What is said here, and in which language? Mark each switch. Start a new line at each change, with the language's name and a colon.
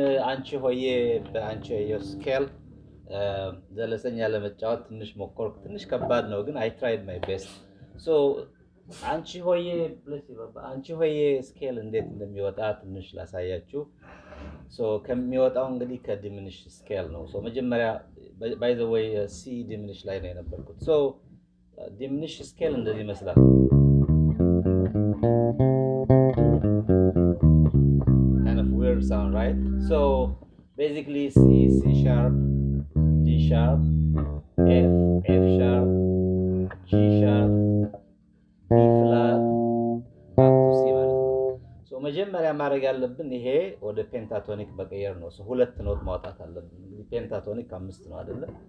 Amharic: አንቺሆየ በአንቺሆየ ስኬል ዘለሰኛ ለመጫወት ትንሽ ሞከርኩ። ትንሽ ከባድ ነው ግን
English: አይ ትራይድ ማይ ቤስት።
Amharic: ሶ አንቺሆየ ፕሊስ ባባ አንቺሆየ ስኬል እንዴት እንደሚወጣ ትንሽ ላሳያችሁ። ሶ ከሚወጣው እንግዲህ ከዲሚንሽ ስኬል ነው። ሶ መጀመሪያ
English: ባይ ዘ ዌይ
Amharic: ሲ ዲሚንሽ ላይ ነው የነበርኩት። ሶ ዲሚንሽ ስኬል እንደዚህ መስላል።
English: Sound right? So basically C, C sharp, D sharp, F, F sharp, G sharp, B flat, back to C minor.
Amharic: So መጀመሪያ ማድረግ ያለብን ይሄ ወደ pentatonic መቀየር ነው። So ሁለት ኖት ማውጣት አለብን። እንግዲህ pentatonic አምስት ነው አይደለ?